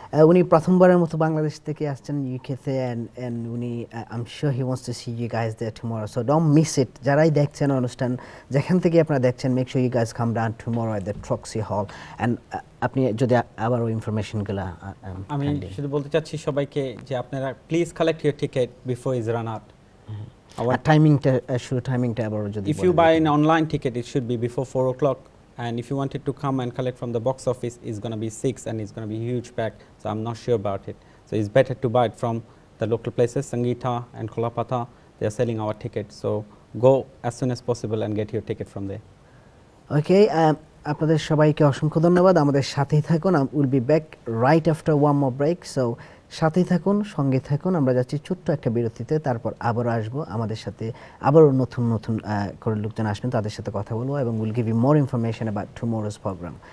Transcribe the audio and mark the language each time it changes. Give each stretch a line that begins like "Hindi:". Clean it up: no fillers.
Bangla: উনি প্রথমবারের মতো বাংলাদেশ থেকে আসছেন ইউকেতে
English: and উনি I'm sure he wants to see you guys there tomorrow so don't miss it
Bangla: যারাই দেখছেন অনুষ্ঠান যেখান থেকে আপনারা দেখছেন
English: make sure you guys come down tomorrow at the Troxy hall and
Bangla: আপনি যদি আবার ওই ইনফরমেশনগুলো আমি শুধু বলতে চাচ্ছি সবাইকে যে আপনারা please
English: collect your ticket before is run out
Bangla: hour টাইমিংটা শুরু টাইমিংটা আবার যদি
English: If you buy an online ticket it should be before 4 o'clock And if you wanted to come and collect from the box office, it's going to be 6 and it's going to be a huge pack. So I'm not sure about it. So it's better to buy it from the local places, Sangeeta and Kolapatha, they are selling our tickets. So go as soon as possible and get your ticket from there. Okay.
Bangla: আপনাদের সবাইকে অসংখ্য ধন্যবাদ, আমাদের সাথেই থাকুন.
English: will be back right after one more break, so
Bangla: সাথেই থাকুন, সঙ্গে থাকুন. আমরা যাচ্ছি ছোট্ট একটা বিরতিতে, তারপর আবারও আসবো. আমাদের সাথে আবারও নতুন নতুন করে লোকজন আসবেন, তাদের সাথে কথা বলবো এবং
English: Will give you more information about tomorrow's programme.